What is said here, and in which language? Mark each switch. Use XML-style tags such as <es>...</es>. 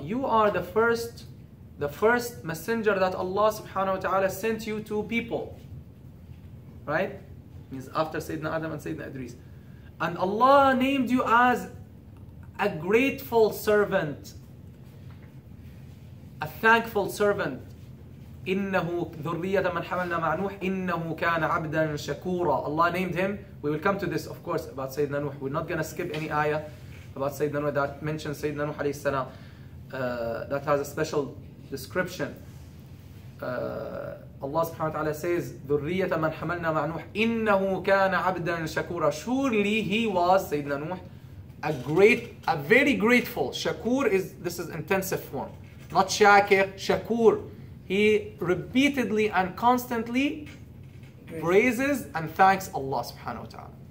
<en>You are the first messenger that Allah subhanahu wa ta'ala sent you to people. Right? Means after Sayyidina Adam and Sayyidina Idris. And Allah named you as a grateful servant. A thankful servant.</en> <ar>إِنَّهُ ذُرِّيَّةَ مَنْ حَمَلْنَا مَعْ نُوحٍ إِنَّهُ كَانَ عَبْدًا شَكُورًا Allah named him.</ar> <en>We will come to this, of course, about Sayyidina Nuh. We're not going to skip any ayah about Sayyidina Nuh that mentions Sayyidina Nuh alayhi salam, that has a special description.</en> <ar>Allah subhanahu wa ta'ala says, ذُرِّيَّةَ مَنْ حَمَلْنَا مَعْ نُوحٍ إِنَّهُ كَانَ عَبْدًا شَكُورًا.</ar> <en>Surely he was, Sayyidina Nuh, a very grateful. Shakur is, this is intensive form. Not shakir, shakur. He repeatedly and constantly praises and thanks Allah subhanahu wa ta'ala.</en>